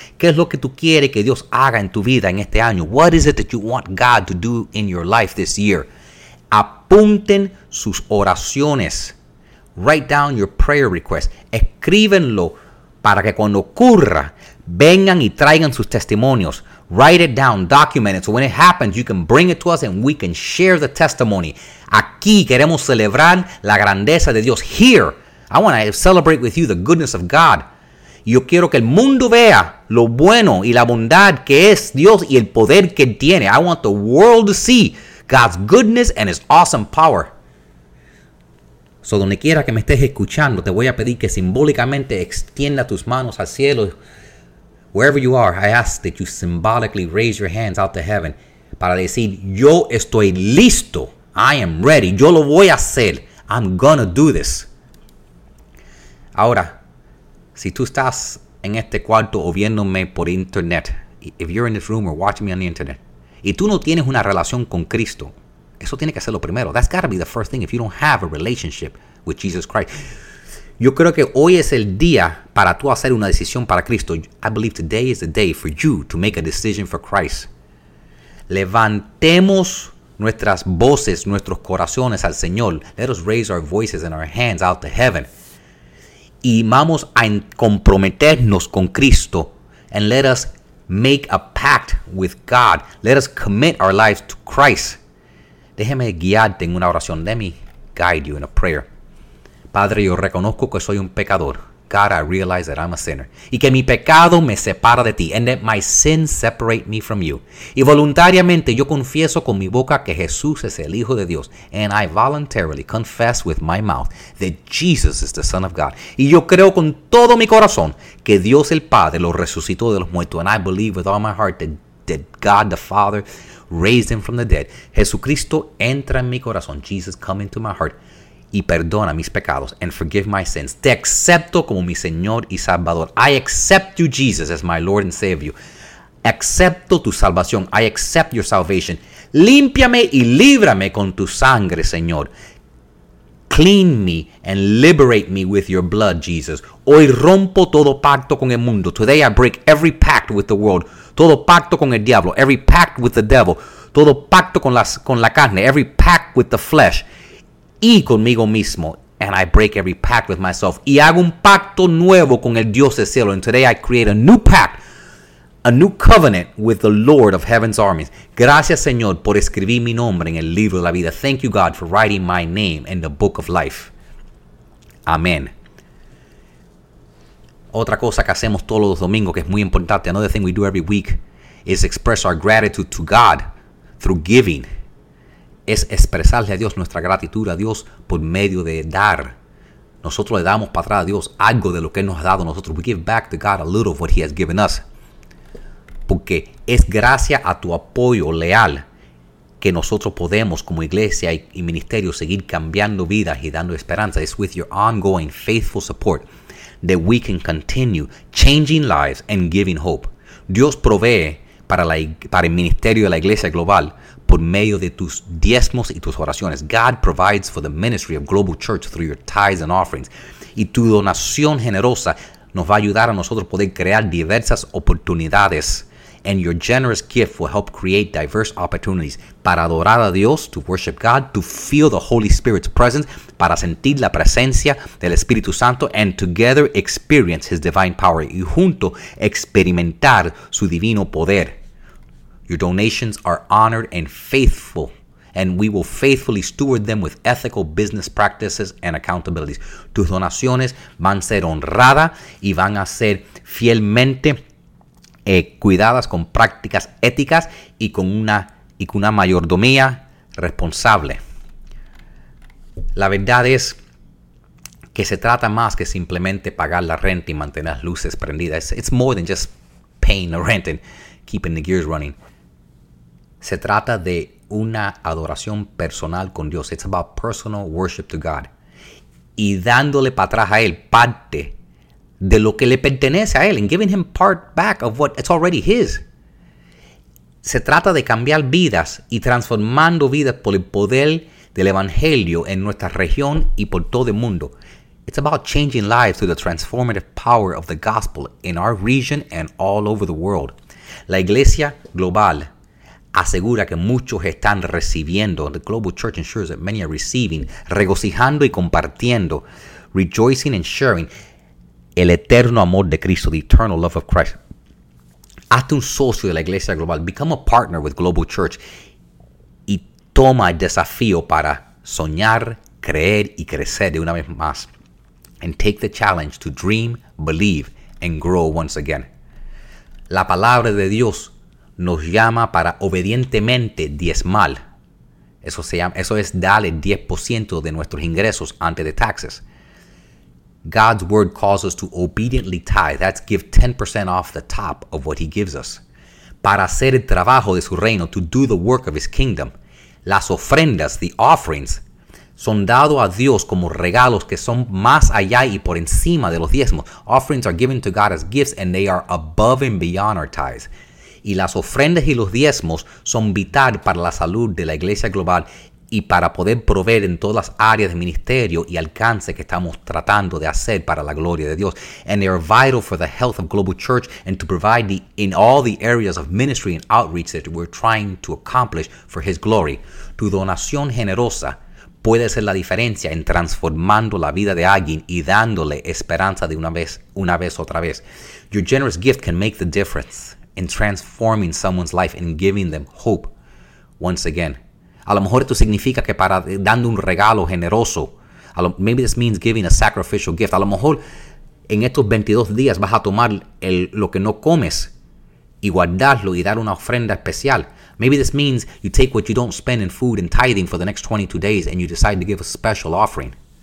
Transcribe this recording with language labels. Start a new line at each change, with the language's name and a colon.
Spanish: ¿Qué es lo que tú quieres que Dios haga en tu vida en este año?
English: What is it that you want God to do in your life this year?
Spanish: Apunten sus oraciones.
English: Write down your prayer request.
Spanish: Escríbenlo para que cuando ocurra, vengan y traigan sus testimonios.
English: Write it down, document it. So when it happens, you can bring it to us and we can share the testimony.
Spanish: Aquí queremos celebrar la grandeza de Dios.
English: Here, I want to celebrate with you the goodness of God.
Spanish: Yo quiero que el mundo vea lo bueno y la bondad que es Dios y el poder que tiene.
English: I want the world to see God's goodness and His awesome power.
Spanish: So donde quiera que me estés escuchando, te voy a pedir que simbólicamente extienda tus manos al cielo.
English: Wherever you are, I ask that you symbolically raise your hands out to heaven
Spanish: para decir, yo estoy listo.
English: I am ready.
Spanish: Yo lo voy a hacer.
English: I'm gonna do this.
Spanish: Ahora, si tú estás en este cuarto o viéndome por internet,
English: if you're in this room or watching me on the internet,
Spanish: y tú no tienes una relación con Cristo, eso tiene que ser lo primero.
English: That's gotta be the first thing if you don't have a relationship with Jesus Christ.
Spanish: Yo creo que hoy es el día para tú hacer una decisión para Cristo.
English: I believe today is the day for you to make a decision for Christ.
Spanish: Levantemos nuestras voces, nuestros corazones al Señor.
English: Let us raise our voices and our hands out to heaven.
Spanish: Y vamos a comprometernos con Cristo.
English: And let us make a pact with God. Let us commit our lives to Christ.
Spanish: Déjeme guiarte en una oración.
English: Let me guide you in a prayer.
Spanish: Padre, yo reconozco que soy un pecador.
English: God, I realize that I'm a sinner.
Spanish: Y que mi pecado me separa de ti.
English: And that my sin separate me from you.
Spanish: Y voluntariamente yo confieso con mi boca que Jesús es el Hijo de Dios.
English: And I voluntarily confess with my mouth that Jesus is the Son of God.
Spanish: Y yo creo con todo mi corazón que Dios el Padre lo resucitó de los muertos.
English: And I believe with all my heart that God the Father raised him from the dead.
Spanish: Jesucristo, entra en mi corazón.
English: Jesus, come into my heart.
Spanish: Y perdona mis pecados.
English: And forgive my sins.
Spanish: Te acepto como mi Señor y Salvador.
English: I accept you, Jesus, as my Lord and Savior.
Spanish: Acepto tu salvación.
English: I accept your salvation.
Spanish: Límpiame y líbrame con tu sangre, Señor.
English: Clean me and liberate me with your blood, Jesus.
Spanish: Hoy rompo todo pacto con el mundo.
English: Today I break every pact with the world.
Spanish: Todo pacto con el diablo.
English: Every pact with the devil.
Spanish: Todo pacto con la carne.
English: Every pact with the flesh.
Spanish: Y conmigo mismo.
English: And I break every pact with myself.
Spanish: Y hago un pacto nuevo con el Dios del cielo.
English: And today I create a new pact. A new covenant with the Lord of Heaven's armies.
Spanish: Gracias, Señor, por escribir mi nombre en el libro de la vida.
English: Thank you, God, for writing my name in the book of life.
Spanish: Amén. Otra cosa que hacemos todos los domingos que es muy importante.
English: Another thing we do every week is express our gratitude to God through giving.
Spanish: Es expresarle a Dios nuestra gratitud a Dios por medio de dar. Nosotros le damos para atrás a Dios algo de lo que nos ha dado nosotros.
English: We give back to God a little of what He has given us.
Spanish: Porque es gracias a tu apoyo leal que nosotros podemos como iglesia y ministerio seguir cambiando vidas y dando esperanza.
English: It's with your ongoing faithful support that we can continue changing lives and giving hope.
Spanish: Dios provee para el ministerio de la iglesia global por medio de tus diezmos y tus oraciones.
English: God provides for the ministry of Global Church through your tithes and offerings.
Spanish: Y tu donación generosa nos va a ayudar a nosotros poder crear diversas oportunidades.
English: And your generous gift will help create diverse opportunities
Spanish: para adorar a Dios,
English: to worship God, to feel the Holy Spirit's presence,
Spanish: para sentir la presencia del Espíritu Santo,
English: and together experience His divine power,
Spanish: y junto experimentar su divino poder.
English: Your donations are honored and faithful, and we will faithfully steward them with ethical business practices and accountabilities.
Spanish: Tus donaciones van a ser honradas y van a ser fielmente cuidadas con prácticas éticas y con una mayordomía responsable. La verdad es que se trata más que simplemente pagar la renta y mantener las luces prendidas.
English: It's more than just paying the rent and keeping the gears running.
Spanish: Se trata de una adoración personal con Dios.
English: It's about personal worship to God.
Spanish: Y dándole para atrás a Él parte de lo que le pertenece a Él.
English: And giving Him part back of what it's already His.
Spanish: Se trata de cambiar vidas y transformando vidas por el poder del Evangelio en nuestra región y por todo el mundo.
English: It's about changing lives through the transformative power of the gospel in our region and all over the world.
Spanish: La Iglesia Global asegura que muchos están recibiendo.
English: The Global Church ensures that many are receiving,
Spanish: regocijando y compartiendo,
English: rejoicing and sharing
Spanish: el eterno amor de Cristo,
English: the eternal love of Christ.
Spanish: Hazte un socio de la Iglesia Global.
English: Become a partner with Global Church
Spanish: y toma el desafío para soñar, creer y crecer de una vez más.
English: And take the challenge to dream, believe, and grow once again.
Spanish: La palabra de Dios nos llama para obedientemente diezmar. Eso es dar el 10% de nuestros ingresos antes de taxes.
English: God's word calls us to obediently tithe. That's give 10% off the top of what he gives us.
Spanish: Para hacer el trabajo de su reino,
English: to do the work of his kingdom.
Spanish: Las ofrendas,
English: the offerings,
Spanish: son dados a Dios como regalos que son más allá y por encima de los diezmos.
English: Offerings are given to God as gifts and they are above and beyond our tithes.
Spanish: Y las ofrendas y los diezmos son vital para la salud de la Iglesia Global y para poder proveer en todas las áreas de ministerio y alcance que estamos tratando de hacer para la gloria de Dios.
English: And they are vital for the health of Global Church and to provide in all the areas of ministry and outreach that we're trying to accomplish for His glory.
Spanish: Tu donación generosa puede ser la diferencia en transformando la vida de alguien y dándole esperanza de una vez otra vez.
English: Your generous gift can make the difference in transforming someone's life and giving them hope once again.
Spanish: A lo mejor esto significa que para dando un regalo generoso,
English: maybe this means giving a sacrificial gift.
Spanish: A lo mejor en estos 22 días vas a tomar lo que no comes y guardarlo y dar una ofrenda especial.
English: Maybe this means you take what you don't spend in food and tithing for the next 22 days and you decide to give a special offering.